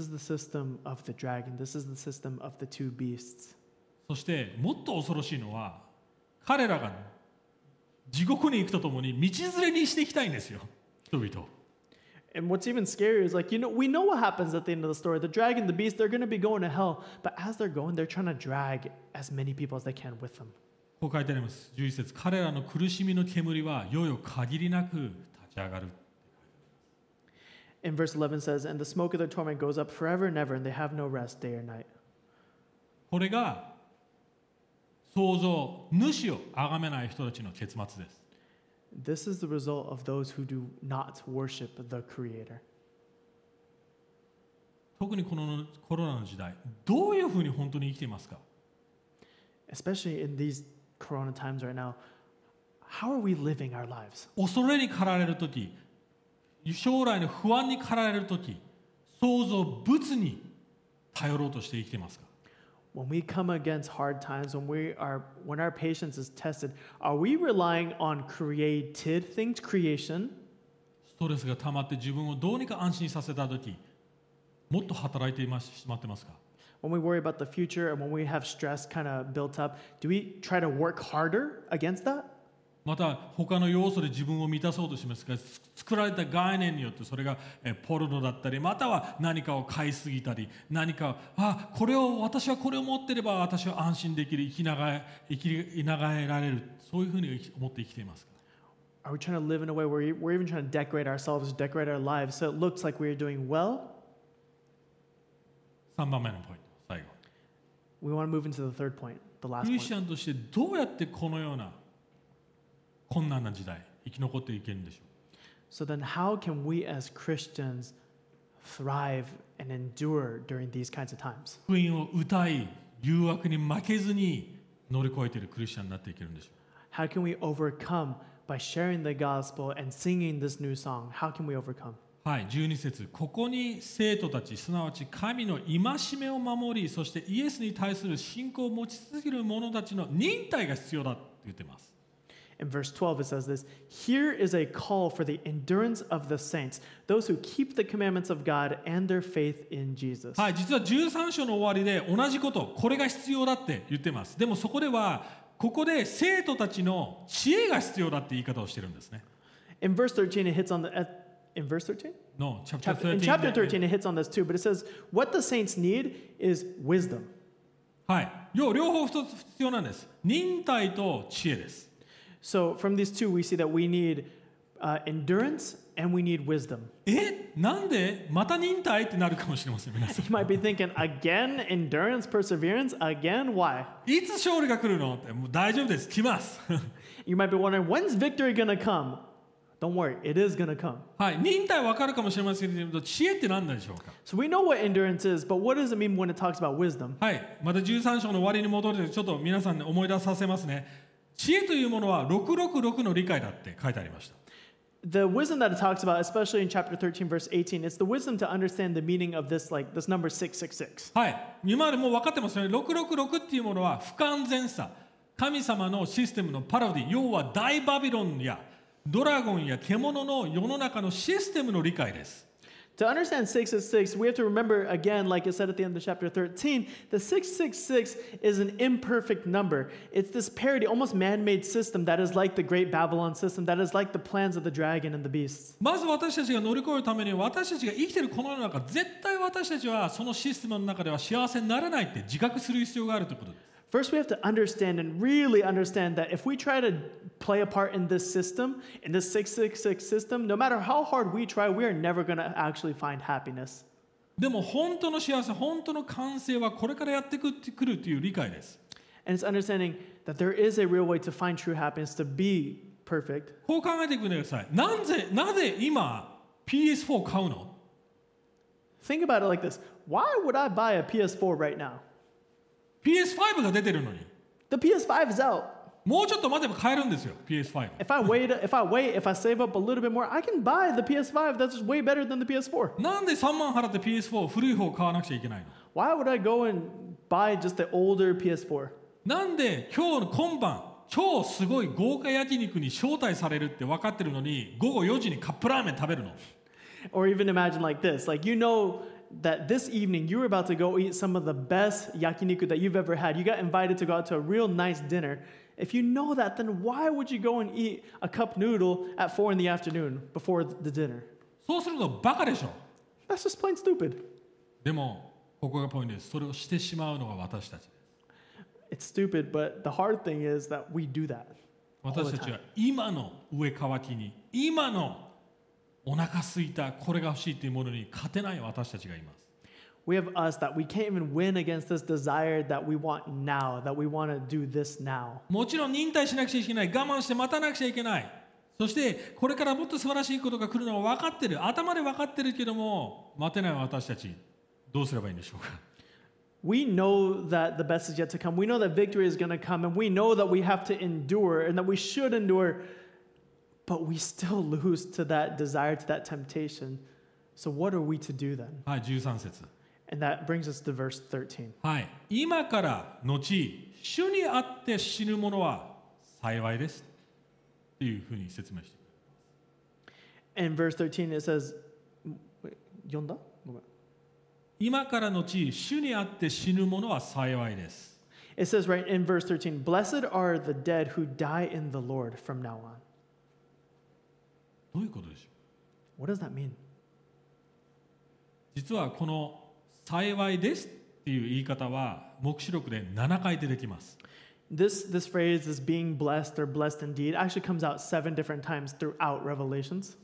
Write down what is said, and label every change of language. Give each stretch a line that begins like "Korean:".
English: This is the system of the dragon. This is the system of the two beasts.
Japanese: そして、もっと恐ろしいのは、彼らが、地獄に行くとともに道連れにしていきたいんですよ、人々。
English: And what's even scary is like, you know, we know what happens at the end of the story. The dragon, the beast, they're going to be going to hell. But as they're going, they're trying to drag as many people as they can with them.
Japanese: こう書いてあります。 11節、彼らの苦しみの煙はよよ限りなく立ち上がる。
English: In verse 11 says, and the smoke of their torment goes up forever and ever, and they have no rest day or night.
Japanese: これが創造主を崇めない人たちの結末です。
English: This is the result of those who do not worship the Creator.
Japanese: 特にこのコロナの時代、どういうふうに本当に生きていますか？
English: Especially in these Corona times right now, how are we living our lives?
Japanese: 恐れに駆られるとき、将来の不安に駆られるとき、創造物に頼ろうとして生きていますか？
English: When we come against hard times, when our patience is tested, are we relying on created things, creation?
Japanese: ストレスが溜まって自分をどうにか安心させたとき、もっと働いてしまってますか？
English: When we worry about the future and when we have stress kind of built up, do we try to work harder against that?
Japanese: また他の要素で自分を満たそうとしますか？作られた概念によってそれがポルノだったりまたは何かを買いすぎたり何かあこれを私はこれを持ってれば私は安心できる生きながられるそういうふうに思って生きていますか？
English: Are we trying to live in a way where we're even trying to decorate ourselves, decorate our lives so it looks like we're doing well?
Japanese: 3番目のポイント最後。
English: We want to move into the third point, the last point.
Japanese: クリスチャンとしてどうやってこのような困難な時代生き残っていけるんでしょう？
English: So then how can we as Christians thrive and endure during these kinds of times?
Japanese: 福音を歌い、誘惑に負けずに乗り越えているクリスチャンになっていけるんでしょう。
English: How can we overcome by sharing the gospel and singing this new song? How can we overcome?
Japanese: はい、12節。ここに聖徒たち、すなわち神の戒めを守り、そしてイエスに対する信仰を持ち続ける者たちの忍耐が必要だって言ってます。
English: In verse 12, it says this, Here is a call for the endurance of the saints, those who keep the commandments of God and their faith in Jesus.
Japanese: はい、実は13章の終わりで同じこと、これが必要だって言ってます。でもそこでは、ここで生徒たちの知恵が必要だって言い方をしてるんですね。
English: In verse 13, it hits on the... In verse 13? No, chapter 13. In chapter 13, it hits on this too, but it says, what the saints need is wisdom.
Japanese: はい、要は両方一つ必要なんです。忍耐と知恵です。
English: So from these two, we see that we need endurance and we need wisdom.
Japanese: なんでまた忍耐ってなるかもしれません。皆さん。
English: You might be thinking again, endurance, perseverance, again. Why?
Japanese: いつ勝利が来るの？って、もう大丈夫です。来ます。
English: You might be wondering when's victory gonna come. Don't worry, it is gonna come.
Japanese: はい、忍耐わかるかもしれませんけど、知恵って何でしょうか
English: ？So we know what endurance is, but what does it mean when it talks about wisdom?
Japanese: はい、また13章の終わりに戻るとちょっと皆さんに思い出させますね。知恵というものは666の理解だって書いてありました。
English: The wisdom that it talks about, especially in chapter 13, verse 18, it's the wisdom to understand the meaning of this, like, this number 666.
Japanese: はい。今までもう分かってますよね。666っていうものは不完全さ。神様のシステムのパロディ。要は大バビロンやドラゴンや獣の世の中のシステムの理解です。
English: To understand 666, we have to remember again, like it said at the end of chapter 13, the 666 is an imperfect number. It's this parody, almost man-made system that is like the great Babylon system, that is like the plans of the dragon and the beast.
Japanese: まず私たちが乗り越えるために、私たちが生きているこの世の中、絶対私たちはそのシステムの中では幸せにならないって自覚する必要があるということです。
English: First, we have to understand and really understand that if we try to play a part in this system, in this 666 system, no matter how hard we try, we are never going to actually find happiness.
Japanese: でも本当の幸せ、本当の完成はこれからやってくるという理解です。
English: And it's understanding that there is a real way to find true happiness, to be perfect.
Japanese: こう考えてください。なぜ今 PS4 買うの?
English: Think about it like this. Why would I buy a PS4 right now?
Japanese: PS5 が出てるのに。
English: The PS5 is out.
Japanese: もうちょっと待てば買えるんですよ、PS5。
English: If I save up a little bit more, I can buy the PS5 that's just way better than the PS4.
Japanese: なんで3万払って PS4 古い方を買わなくちゃいけないの?
English: Why would I go and buy just the older PS4?
Japanese: なんで今日の今晩、超すごい豪華焼肉に招待されるって分かってるのに、午後4時にカップラーメン食べるの?
English: Or even imagine like this, like you know,that this evening you were about to go eat some of the best yakiniku that you've ever had. You got invited to go out to a real nice dinner. If you know that, then why would you go and eat a cup noodle at 4 in the afternoon before the dinner?
Japanese: そうするとバカでしょ?
English: That's just plain stupid.
Japanese: でも、ここがポイントです。それをしてしまうのが私たちです。
English: It's stupid, but the hard thing is that we do that.
Japanese: 私たちは今の上かわきに、今のお腹空いた、これが欲しいというものに勝てない私たちがいます。
English: We have us that we can't even win against this desire that we want now, that we want to do this now.
Japanese: もちろん忍耐しなくちゃいけない、我慢して待たなくちゃいけない。そしてこれからもっと素晴らしいことが来るのは分かってる、頭で分かってるけども、待てない私たち、どうすればいいんでしょうか。
English: We know that the best is yet to come. We know that victory is going to come, and we know that we have to endure and that we should endure. But we still lose to that desire, to that temptation. So what are we to do then?
Japanese: はい、13節。
English: And that brings us to verse 13.
Japanese: はい、今から後、主にあって死ぬものは幸いです。というふうに説明して。
English: And verse 13, it says,
Japanese: 読んだ?ごめん。今から後、主にあって死ぬものは幸いです。
English: It says right in verse 13, Blessed are the dead who die in the Lord from now on.
Japanese: どういうことでしょう?
English: What does that mean?
Japanese: 実はこの幸いですっていう言い方は黙示録で7回出てきます。
English: This phrase is being blessed or blessed indeed actually comes out 7 different times throughout Revelations.